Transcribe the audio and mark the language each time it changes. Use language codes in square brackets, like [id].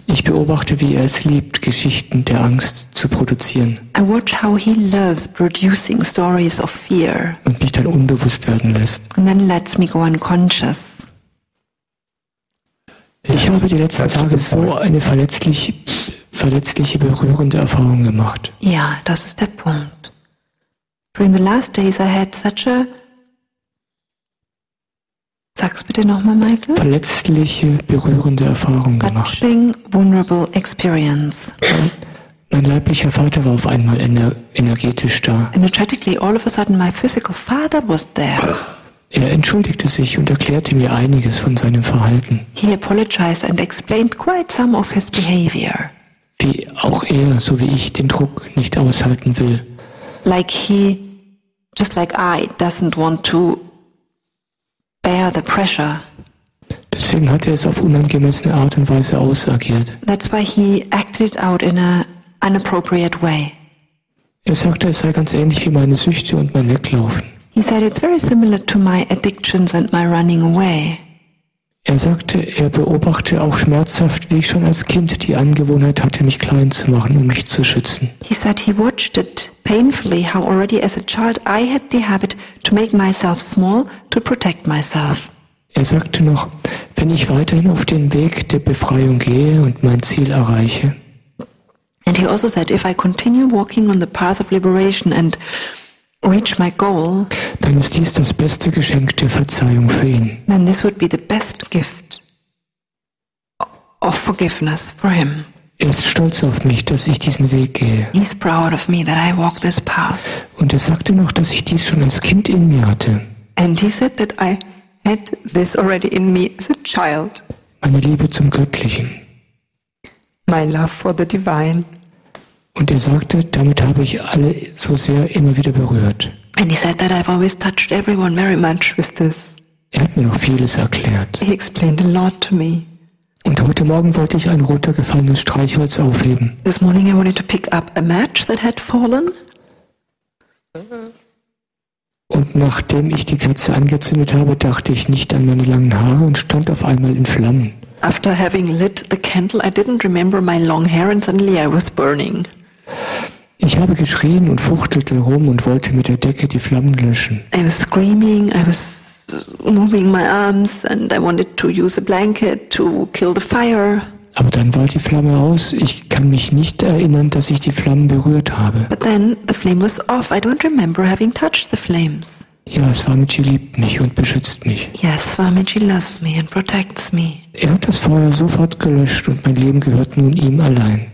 [de] Ich beobachte, wie er es liebt, Geschichten der Angst zu produzieren. [en] I watch how he loves producing stories of fear. [de] Und mich dann unbewusst werden lässt. [en] And then lets me go unconscious. [de] Ich habe die letzten Tage so eine verletzliche, berührende Erfahrung gemacht. Ja, das ist der Punkt. [en] During the last days I had such a... [de] Sag's bitte nochmal, Michael. Verletzliche, berührende Erfahrung gemacht. [en] Touching, vulnerable experience. [de] Mein leiblicher Vater war auf einmal energetisch da. [en] Energetically, all of a sudden my physical father was there. [de] Er entschuldigte sich und erklärte mir einiges von seinem Verhalten. [en] He apologized and explained quite some of his behavior. [de] Wie auch er, so wie ich, den Druck nicht aushalten will. [en] Like he, just like I, doesn't want to bear the pressure. [de] Deswegen hat er es auf unangemessene Art und Weise ausagiert. [en] That's why he acted out in an inappropriate way. [de] Er sagte, es sei ganz ähnlich wie meine Süchte und mein Weglaufen. [en] He said it's very similar to my addictions and my running away. [de] Er sagte, er beobachte auch schmerzhaft, wie ich schon als Kind die Angewohnheit hatte, mich klein zu machen, um mich zu schützen. [en] He said he watched it painfully, how already as a child I had the habit to make myself small to protect myself. [de] Er sagte noch, wenn ich weiterhin auf den Weg der Befreiung gehe und mein Ziel erreiche. [en] And he also said, if I continue walking on the path of liberation and reach my goal, [de] dann ist dies das beste Geschenk der Verzeihung für ihn. [en] Then this would be the best gift of forgiveness for him. [de] Er ist stolz auf mich, dass ich diesen Weg gehe. [en] He's proud of me that I walk this path. [de] Und er sagte noch, dass ich dies schon als Kind in mir hatte. [en] And he said that I had this already in me as a child. [de] Meine Liebe zum Göttlichen. [en] My love for the divine. [de] Und er sagte, damit habe ich alle so sehr immer wieder berührt. [en] And he said that I've always touched everyone very much with this. [de] Er hat mir noch vieles erklärt. [en] He explained a lot to me. [de] Und heute Morgen wollte ich ein runtergefallenes Streichholz aufheben. [en] This morning I wanted to pick up a match that had fallen. [de] Und nachdem ich die Kerze angezündet habe, dachte ich nicht an meine langen Haare und stand auf einmal in Flammen. [en] After having lit the candle, I didn't remember my long hair and suddenly I was burning. [de] Ich habe geschrien und fuchtelte rum und wollte mit der Decke die Flammen löschen. [en] I was screaming, I was moving my arms and I wanted to use a blanket to kill the fire. [de] Aber dann war die Flamme aus. Ich kann mich nicht erinnern, dass ich die Flammen berührt habe. [en] But then the flame was off. I don't remember having touched the flames. [de] Ja, Swamiji liebt mich und beschützt mich. [en] Yes, Swamiji loves me and protects me. [de] Er hat das Feuer sofort gelöscht und mein Leben gehört nun ihm allein.